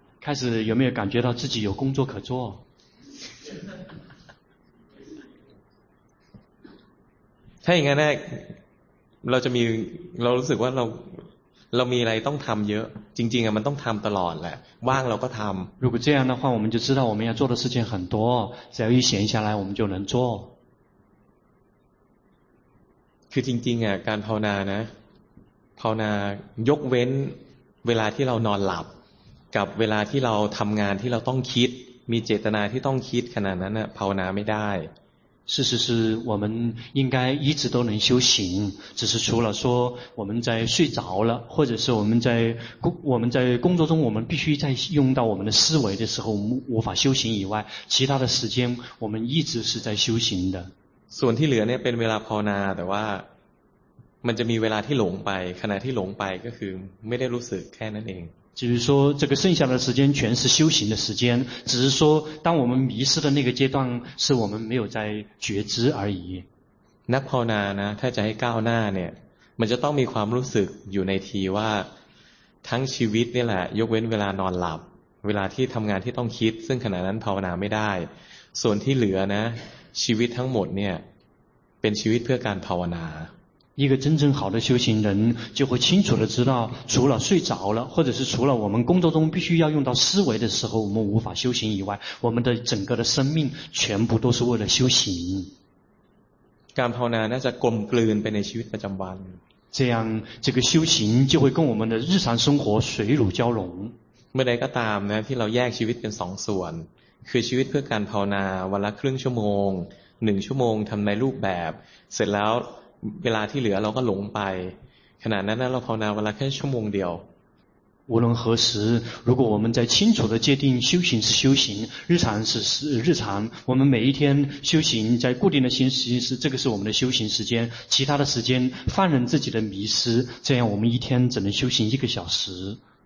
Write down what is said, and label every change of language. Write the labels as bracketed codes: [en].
[zh] 开始有没有感觉到自己有工作可做 [th] ถ้าอย่างนั้นเราจะมีเรารู้สึกว่าเรามีอะไรต้องทำเยอะจริงๆอ่ะมันต้องทำตลอดแหละว่างเราก็ทำ [zh] 如果这样的话我们就知道我们要做的事情很多只要一闲下来我们就能做 [th] คือจริงๆอ่ะการภาวนานะภาวนายกเว้นเวลาที่เรานอนหลับกับเวลาที่เราทำงานที่เราต้องคิดมีเจตนาที่ต้องคิดขนาดนั้นภาวนาไม่ได้ [zh] 事实是我们应该一直都能修行只是除了说我们在睡着了或者是我们在工作中我们必须在用到我们的思维的时候我们无法修行以外其他的时间我们一直是在修行的 [th] ส่วนที่เหลือเนี่ยเป็นเวลาภาวนาแต่ว่ามันจะมีเวลาที่หลงไปขณะที่หลงไปก็คือไม่ได้รู้สึกแค่นั้นเอง [zh] 只是说这个剩下的时间全是修行的时间只是说当我们迷失的那个阶段是我们没有在觉知而已 [th] นักภาวนานะถ้าจะให้ก้าวหน้าเนี่ยมันจะต้องมีความรู้สึกอยู่ในทีว่าทั้งชีวิตนี่แหละยกเว้นเวลานอนหลับเวลาที่ทำงานที่ต้องคิดซึ่งขณะนั้นภาวนาไม่ได้ส่วนที่เหลือนะชีวิตทั้งหมดเนี่ยเป็นชีวิตเพื่อการภาวนา [zh] 一个真正好的修行人就会清楚地知道除了睡着了或者是除了我们工作中必须要用到思维的时候我们无法修行以外我们的整个的生命全部都是为了修行 [th] การภาวนาน่าจะกลมกลืนไปในชีวิตประจำวัน [zh] 这样这个修行就会跟我们的日常生活水乳交融 [th] เมื่อใดก็ตามนะที่เราแยกชีวิตเป็นสองส่วนคือชีวิตเพื่อการภาวนาวันละครึ่งชั่วโมงหนึ่งชั่วโมงทำในรูปแบบเสร็จแล้วเวลาที่เหลือเราก็หลงไปขณะนั้นเราภาวนาเวลาแค่ชั่วโมงเดียว [zh] 无论何时，如果我们在清楚的界定修行是修行，日常是日常，我们每一天修行在固定的行时是这个是我们的修行时间，其他的时间放任自己的迷失，这样我们一天只能修行一个小时。